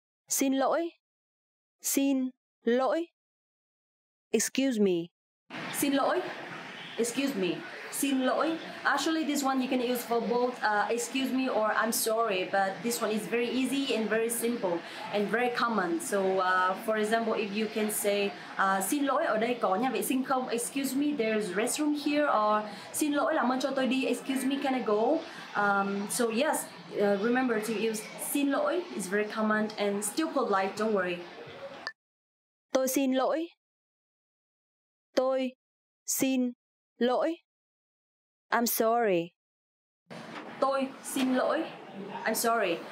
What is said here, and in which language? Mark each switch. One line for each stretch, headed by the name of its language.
Vietnamese: Xin lỗi. Xin lỗi.
English: Excuse me.
Vietnamese: Xin lỗi.
English: Excuse me.
Vietnamese: Xin lỗi.
English: Actually, this one you can use for both excuse me or I'm sorry, but this one is very easy and very simple and very common. So, for example, if you can say
Vietnamese: xin lỗi, ở đây có nhà vệ sinh không?
English: Excuse me, there's restroom here. Or
Vietnamese: xin lỗi, làm ơn cho tôi đi.
English: Excuse me, can I go? So, yes, remember to use xin lỗi. It's very common and still polite, don't worry.
Vietnamese: Tôi xin lỗi. Tôi xin lỗi.
English: I'm sorry.
Vietnamese: Tôi xin lỗi.
English: I'm sorry.